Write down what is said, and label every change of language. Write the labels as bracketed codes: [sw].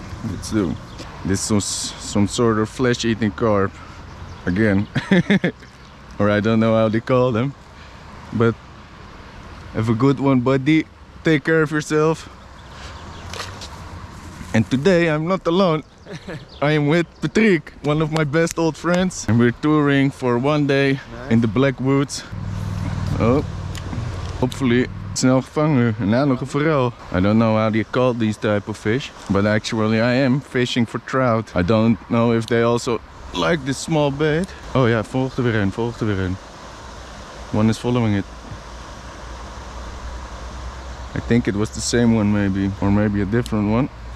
[en] Let's do. This is some sort of flesh-eating carp, again, or I don't know how they call them, but have a good one, buddy, take care of yourself. And today I'm not alone, I am with Patrick, one of my best old friends, and we're touring for one day. Nice. In the black woods. Oh, hopefully. [nl] Snel gevangen, en nou nog een forel. [en] I don't know how they call these type of fish, but actually I am fishing for trout. I don't know if they also like this small bait. Oh yeah, [nl] volgt er weer een, volgt er weer een. [en] One is following it. I think it was the same one maybe, or maybe a different one.